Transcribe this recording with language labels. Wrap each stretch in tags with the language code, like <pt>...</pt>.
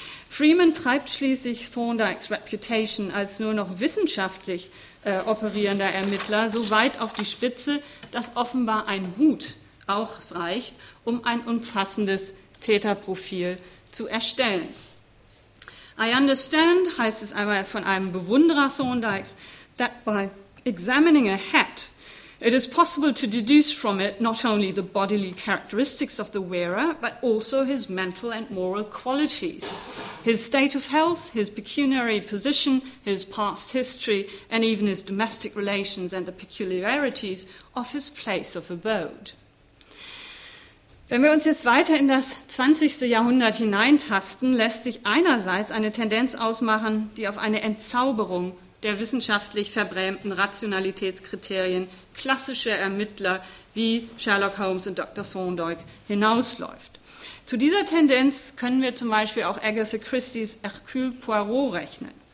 <de>Freeman treibt schließlich Thorndikes Reputation als nur noch wissenschaftlich operierender Ermittler so weit auf die Spitze, dass offenbar ein Hut auch reicht, um ein umfassendes Täterprofil zu erstellen.</de> <en>I understand,</en> <de>heißt es aber von einem Bewunderer Thorndikes,</de> <en>that by examining a hat, it is possible to deduce from it not only the bodily characteristics of the wearer, but also his mental and moral qualities, his state of health, his pecuniary position, his past history, and even his domestic relations and the peculiarities of his place of abode.</en> <de>Wenn wir uns jetzt weiter in das 20. Jahrhundert hineintasten, lässt sich einerseits eine Tendenz ausmachen, die auf eine Entzauberung der wissenschaftlich verbrämten Rationalitätskriterien klassischer Ermittler wie Sherlock Holmes und Dr. Thorndike hinausläuft. Zu dieser Tendenz können wir zum Beispiel auch Agatha Christies Hercule Poirot rechnen.</de>